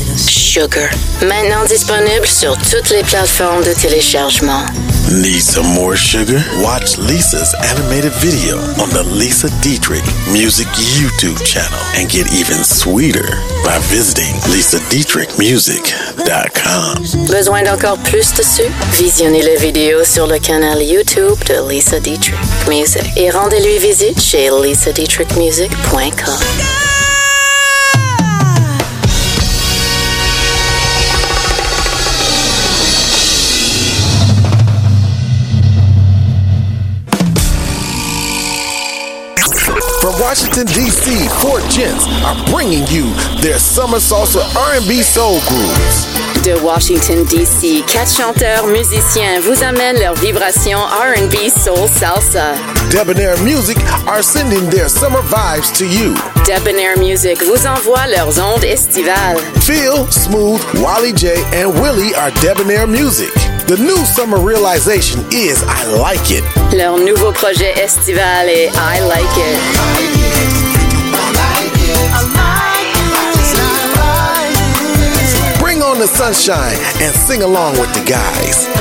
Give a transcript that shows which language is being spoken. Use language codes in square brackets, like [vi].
[fr] Sugar, maintenant disponible sur toutes les plateformes de téléchargement. [en] Need some more sugar? Watch Lisa's animated video on the Lisa Dietrich Music YouTube channel and get even sweeter by visiting lisadietrichmusic.com. [fr] Besoin d'encore plus de sucre? Visionnez les vidéos sur le canal YouTube de Lisa Dietrich Music et rendez-lui visite chez lisadietrichmusic.com. [en] Thank you. from Washington, D.C., four gents are bringing you their summer salsa R&B soul grooves. [fr] De Washington, D.C., quatre chanteurs musiciens vous amènent leur vibration R&B soul salsa. [en] Debonair Music are sending their summer vibes to you. [fr] Debonair Music vous envoie leurs ondes estivales. [en] Phil, Smooth, Wally J, and Willie are Debonair Music. The new summer realization is I Like It. [fr] Leur nouveau projet estival est I Like It. [en] Bring on the sunshine and sing along with the guys.